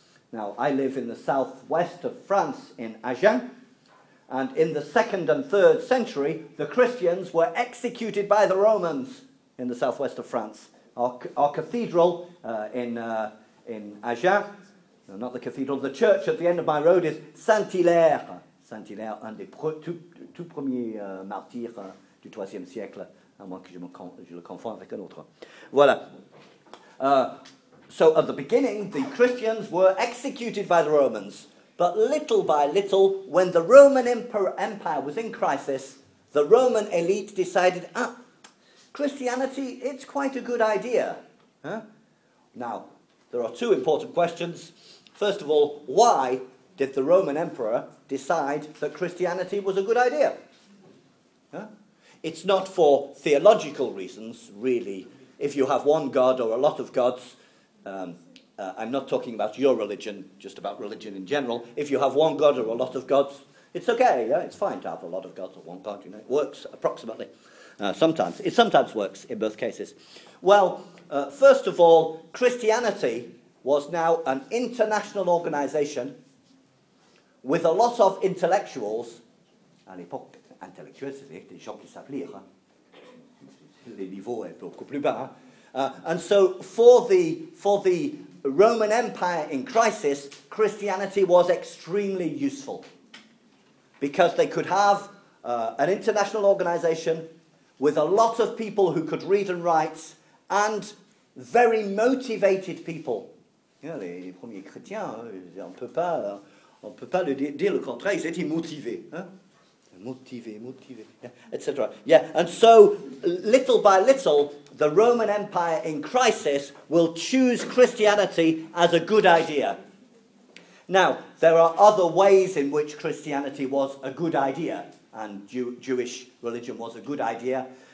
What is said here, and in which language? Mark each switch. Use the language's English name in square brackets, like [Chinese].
[English] Now, I live in the southwest of France, in Agen, and in the 2nd and 3rd century, the Christians were executed by the Romans in the southwest of France. Our cathedral in Agen, no, not the cathedral, the church at the end of my road is Saint-Hilaire. [French] Saint-Hilaire, un des tout premiers martyrs du 3e siècle, à moins que je le confonde avec un autre. Voilà. [English] So at the beginning, the Christians were executed by the Romans. But little by little, when the Roman Empire was in crisis, the Roman elite decided, Christianity, it's quite a good idea. Now, there are two important questions. First of all, why did the Roman Emperor decide that Christianity was a good idea? It's not for theological reasons, really. If you have one God or a lot of gods, I'm not talking about your religion, just about religion in general. If you have one God or a lot of gods, it's okay. Yeah, it's fine to have a lot of gods or one God. You know, it works approximately. Sometimes. It sometimes works in both cases. Well, first of all, Christianity was now an international organization with a lot of intellectuals. [French] À l'époque, intellectuels, c'est-à-dire des gens qui savent lire. Les niveaux sont beaucoup plus bas. [English] And so for the Roman Empire in crisis, Christianity was extremely useful because they could have an international organization with a lot of people who could read and write and very motivated people. [French] Yeah, les premiers chrétiens, on peut pas le dire le contraire, ils étaient motivés. Motivé, etc. [English] Yeah, and so little by little, the Roman Empire in crisis will choose Christianity as a good idea. Now, there are other ways in which Christianity was a good idea, and Jewish religion was a good idea.